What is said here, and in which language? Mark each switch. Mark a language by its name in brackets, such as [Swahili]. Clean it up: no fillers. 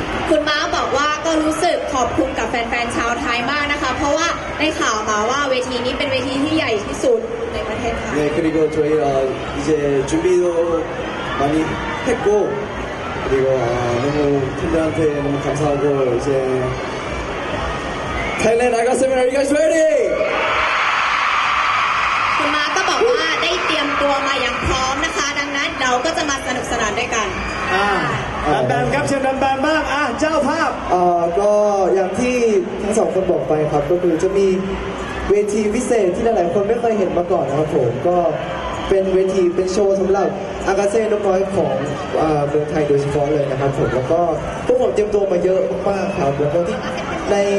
[Thai] คุณม้าบอกว่าก็รู้สึกขอบคุณกับแฟนๆชาวไทยมากนะคะเพราะว่าได้ข่าวมาว่าเวทีนี้เป็นเวทีที่ใหญ่ที่สุดในประเทศไทย [Korean] เนี่ย그리고저희이제준비도많이했고그리고너무팬들한테너무감사하고이제 [English] Thailand, I got seven. Are you guys ready? [Thai] คุณมาก็บอกว่าได้เตรียมตัวมาอย่างพร้อมนะคะดังนั้นเราก็จะมาสนุกสนานด้วยกัน แบนครับเชิญแบนบ้างเจ้าภาพ ก็อย่างที่ทั้งสองคนบอกไปครับก็คือจะมีเวทีพิเศษที่หลายๆคนไม่เคยเห็นมาก่อนนะครับผมก็เป็นเวทีเป็นโชว์สำหรับอากาเซ่นกน้อยของเมืองไทยโดยเฉพาะเลยนะครับผมแล้วก็พวกผมเตรียมตัวมาเยอะมากครับแล้วก็ที่ใน